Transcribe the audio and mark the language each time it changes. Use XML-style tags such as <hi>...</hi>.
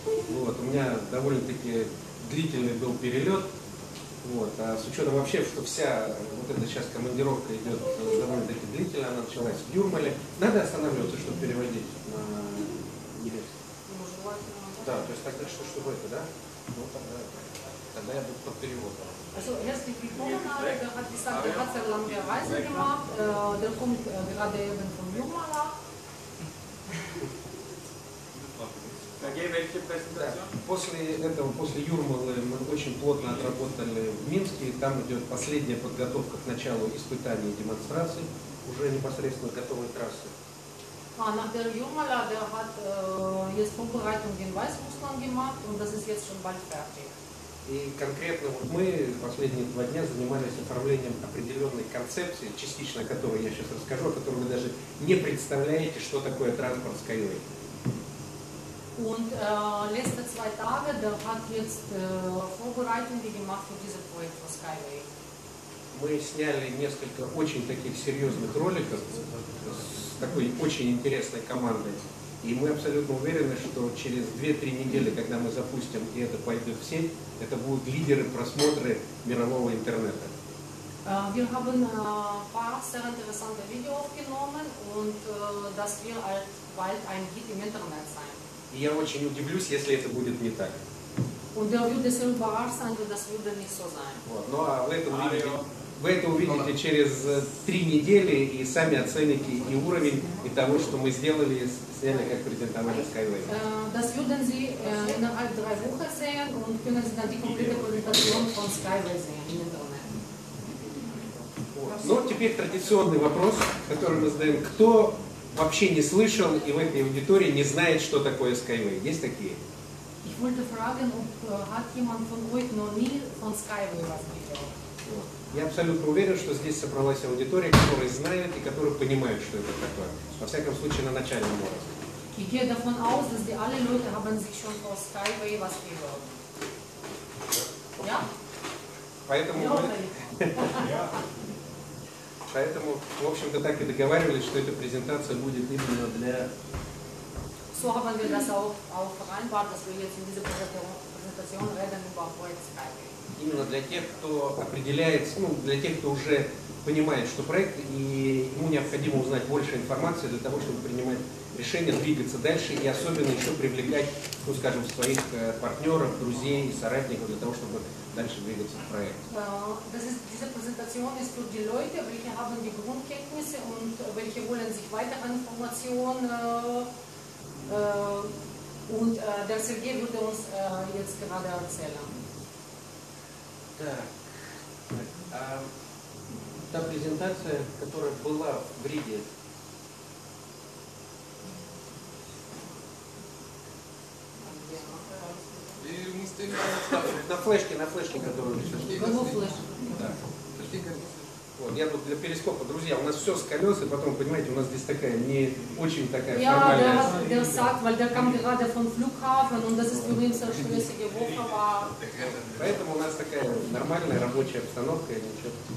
<ru>Вот. У меня довольно-таки длительный был перелет. Вот. А с учетом вообще, что вся вот эта сейчас командировка идет довольно-таки длительно, она началась в Юрмале. Надо останавливаться, чтобы переводить на немецкий. Да, то есть тогда что, чтобы это, да? Ну тогда я буду под переводом.</ru> <de>Also herzlich willkommen, der hat gesagt, der hat sehr lange Reise gemacht, der kommt gerade eben vom Jumala.</de> <ru>После этого, после Юрмалы, мы очень плотно отработали в Минске. Там идет последняя подготовка к началу испытаний и демонстраций уже непосредственно готовой трассы.</ru> <de>Nach der Jumala, der hat jetzt Vorbereitung in Weißrussland gemacht und das ist jetzt schon bald fertig.</de> <ru>И конкретно вот мы последние два дня занимались оформлением определенной концепции, частично которой я сейчас расскажу, о которой вы даже не представляете, что такое транспорт Skyway.</ru> <de>Und letzte zwei Tage, der hat jetzt Vorbereitungen gemacht für dieses Projekt von Skyway.</de> <ru>Мы сняли несколько очень таких серьезных роликов с такой очень интересной командой. И мы абсолютно уверены, что через 2-3 недели, когда мы запустим и это пойдет в сеть, это будут лидеры просмотры мирового интернета.</ru> <de>Wir haben paar sehr interessante Videos aufgenommen und das wird bald ein Hit im Internet sein.</de> <ru>И я очень удивлюсь, если это будет не так.</ru> <de>Und der würde sehr überrascht sein, wenn das würde nicht so sein.</de> <ru>Вот. Ну а вы это увидите. Вы это увидите через 3 недели и сами оцените и уровень, и того, что мы сделали, сняли как презентовали Skyway. Das würden Sie innerhalb 3 Wochen sehen und können Sie dann die komplette Präsentation von Skyway sehen. Ну, теперь традиционный вопрос, который мы задаем. Кто вообще не слышал и в этой аудитории не знает, что такое Skyway? Есть такие?</ru> <de>Ich wollte fragen, ob hat jemand von euch noch nie von Skyway was gehört?</de> <ru>Я абсолютно уверен, что здесь собралась аудитория, которая знает и которая понимает, что это такое. Во всяком случае, на начальном уровне. И я</ru> <de>davon aus, dass die alle Leute haben sich schon von Skyway was gehört. Ja?</de> <ru>Поэтому мы... Поэтому, в общем-то, так и договаривались, что эта презентация будет именно для...</ru> <de>So haben wir das auch vereinbart, dass wir jetzt in dieser Präsentation reden über Projekt Skyway.</de> <ru>Именно для тех, кто определяется, ну, для тех, кто уже понимает, что проект, и ему необходимо узнать больше информации для того, чтобы принимать решение двигаться дальше и особенно еще привлекать, ну, скажем, своих партнеров, друзей и соратников для того, чтобы дальше двигаться в проект.</ru> <de>Diese Präsentation ist für die Leute, welche haben die Grundkenntnisse und welche wollen sich weitere Informationen und der Sergej würde uns jetzt gerade erzählen.</de> <ru>Так, та презентация, которая была в Риге. На флешке, которую вы сейчас... Вот, я тут для перископа. Друзья, у нас все с колес, и потом, понимаете, у нас здесь такая, не очень такая формальная...</ru> <de>Ja, der sagt, weil der kam gerade vom Flughafen, und das ist für ihn sehr stressige Woche, war...</de> <ru>Поэтому у нас такая нормальная рабочая обстановка, и ничего.</ru>